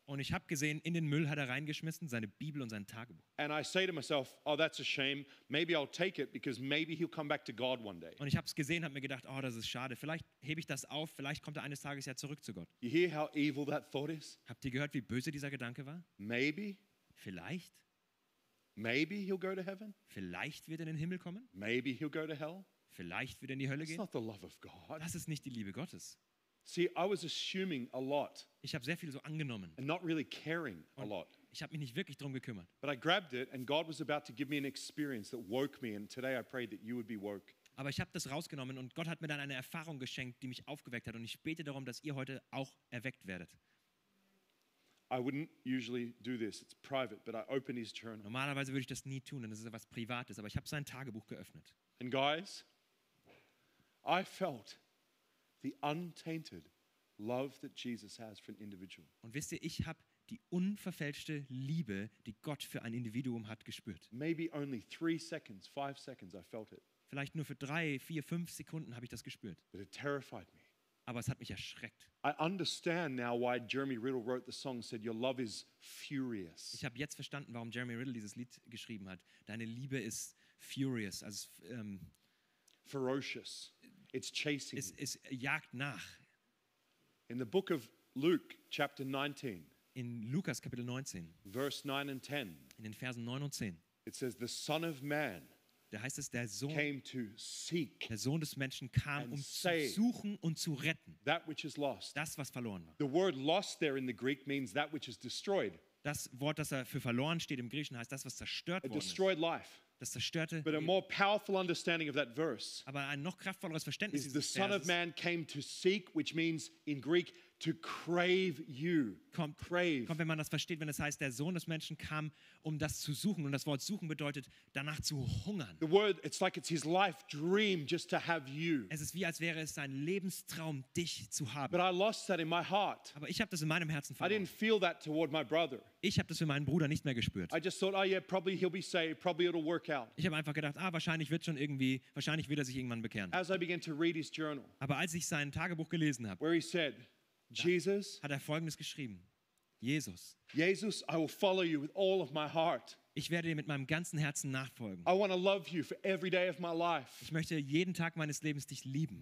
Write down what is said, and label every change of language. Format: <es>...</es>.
<de>Und ich habe gesehen, in den Müll hat er reingeschmissen, seine Bibel und sein Tagebuch.</de> <en>And I say to myself, oh, that's a shame. Maybe I'll take it because maybe he'll come back to God one day.</en> <de>Und ich habe es gesehen, habe mir gedacht, oh, das ist schade. Vielleicht hebe ich das auf. Vielleicht kommt er eines Tages ja zurück zu Gott.</de> <en>You hear how evil that thought is?</en> <de>Habt ihr gehört, wie böse dieser Gedanke war?</de> <en>Maybe.</en> <de>Vielleicht.</de> <en>Maybe he'll go to heaven.</en> <de>Vielleicht wird er in den Himmel kommen.</de> <en>Maybe he'll go to hell.</en> <de>Vielleicht wird er in die Hölle gehen.</de> <en>That's not the love of God.</en> <de>Das ist nicht die Liebe Gottes.</de> <en>See, I was assuming a lot.</en> <de>Ich habe sehr viel so angenommen.</de> <en>And not really caring a lot.</en> <de>Ich habe mich nicht wirklich drum gekümmert.</de> <en>But I grabbed it and God was about to give me an experience that woke me and today I prayed that you would be woke.</en> <de>Aber ich habe das rausgenommen und Gott hat mir dann eine Erfahrung geschenkt, die mich aufgeweckt hat und ich bete darum, dass ihr heute auch erweckt werdet.</de> <en>I wouldn't usually do this. It's private, but I opened his journal.</en> <de>Normalerweise würde ich das nie tun, denn das ist etwas Privates, aber ich habe sein Tagebuch geöffnet.</de> <en>And guys, I felt the untainted love that Jesus has for an individual.</en> <de>Und wisst ihr, ich habe die unverfälschte Liebe, die Gott für ein Individuum hat, gespürt.</de> <en>Maybe only 3 seconds, 5 seconds, I felt it.</en> <de>Vielleicht nur für 3, 4, 5 Sekunden habe ich das gespürt.</de> <en>But it terrified me.</en> <de>Aber es hat mich erschreckt.</de> <en>I understand now why Jeremy Riddle wrote the song, said your love is furious.</en> <de>Ich habe jetzt verstanden, warum Jeremy Riddle dieses Lied geschrieben hat. Deine Liebe ist furious, also</de> <en>ferocious. It's chasing.</en> <de>Es jagt nach.</de> <en>In the book of Luke, chapter 19.</en> <de>In Lukas Kapitel 19.</de> <en>Verse 9 and 10.</en> <de>In den Versen 9 und 10.</de> <en>It says the Son of Man.</en> <de>Da heißt es, der Sohn.</de> <en>Came to seek.</en> <de>Der Sohn des Menschen kam, um zu suchen und zu retten.</de> <en>That which is lost.</en> <de>Das, was verloren war.</de> <en>The word lost there in the Greek means that which is destroyed.</en> <de>Das Wort, das er für verloren steht im Griechischen, heißt das, was zerstört worden ist.</de> <en>A destroyed life.</en> <de>Das zerstörte.</de> <en>But a more powerful understanding of that verse.</en> <de>Aber ein noch kraftvolleres Verständnis dieses Verses.</de> <en>The Son of Man came to seek, which means in Greek to crave you.</en> <de>Kommt,</de> <en>crave.</en> <de>Kommt, wenn man das versteht, wenn es heißt, der Sohn des Menschen kam, um das zu suchen. Und das Wort suchen bedeutet, danach zu hungern.</de> <en>The word, it's like it's his life dream just to have you.</en> <de>Es ist wie, als wäre es sein Lebenstraum, dich zu haben.</de> <en>But I lost that in my heart.</en> <de>Aber ich habe das in meinem Herzen verloren.</de> <en>I didn't feel that toward my brother.</en> <de>Ich habe das für meinen Bruder nicht mehr gespürt.</de> <en>I just thought, oh yeah, probably he'll be saved, probably it'll work out.</en> <de>Ich habe einfach gedacht, ah, wahrscheinlich wird schon irgendwie, wahrscheinlich wird er sich irgendwann bekehren.</de> <en>As I began to read his journal.</en> <de>Aber als ich sein Tagebuch gelesen habe,</de> <en>where he said, Jesus,</en> <de>hat er Folgendes geschrieben. Jesus.</de> <en>Jesus, I will follow you with all of my heart.</en> <de>Ich werde dir mit meinem ganzen Herzen nachfolgen.</de> <en>I want to love you for every day of my life.</en> <de>Ich möchte jeden Tag meines Lebens dich lieben.</de>